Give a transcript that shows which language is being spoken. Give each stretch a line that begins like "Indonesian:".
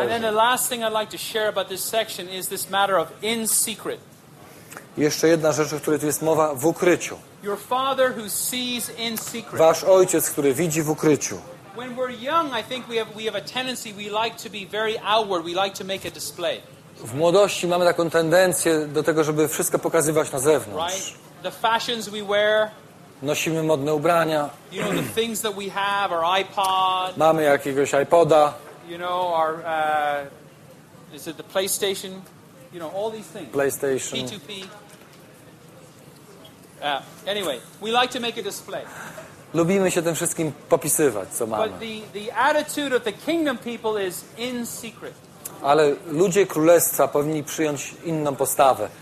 English: And then the last thing I'd like to share about this section is this matter of in secret.
Polish: Jeszcze jedna rzecz, o której tu jest mowa, w ukryciu.
English: Your father who sees in secret.
Polish: Wasz ojciec, który widzi w ukryciu.
English: When we're young, I think we have a tendency, we like to be very outward, we like to make a display.
Polish: W młodości mamy taką tendencję do tego, żeby wszystko pokazywać na zewnątrz.
English: Right? The fashions we wear,
Polish: nosimy modne ubrania.
English: You know, the things that we have, our iPod,
Polish: mamy jakiegoś iPoda.
English: You know, our, is it the PlayStation? You know, all these things. PlayStation. P2P. Anyway, we like to make a display.
Polish: Lubimy się tym wszystkim popisywać, co mamy.
English: But the attitude of the kingdom people is in secret.
Polish: Ale ludzie królestwa powinni przyjąć inną postawę.